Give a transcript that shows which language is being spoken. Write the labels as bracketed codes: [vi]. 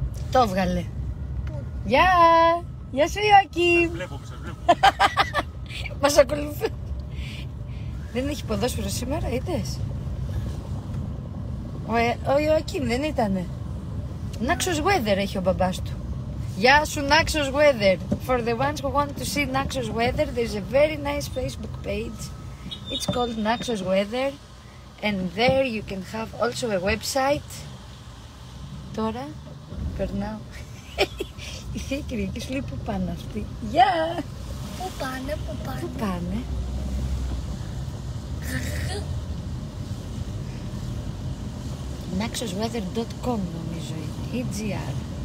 [el] Το έβγαλε. Γεια! Γεια σου Ιωάκη! Σε βλέπω. Μας ακολουθεί. Δεν έχει ποδόσφαιρο σήμερα, είδες. Ο Ιωακίν δεν ήτανε. Naxos Weather έχει ο μπαμπάς του. Γεια σου, Naxos Weather. [en] For the ones who want to see Naxos Weather, there's a very nice Facebook page. It's called Naxos Weather. And there you can have also a website. [el] Τώρα, περνάω. Η Θεία Κυριακή σου λέει πού πάνε αυτοί. Γεια! Πού πάνε, πού πάνε. Πού πάνε. NaxosWeather.com νομίζω ή GR.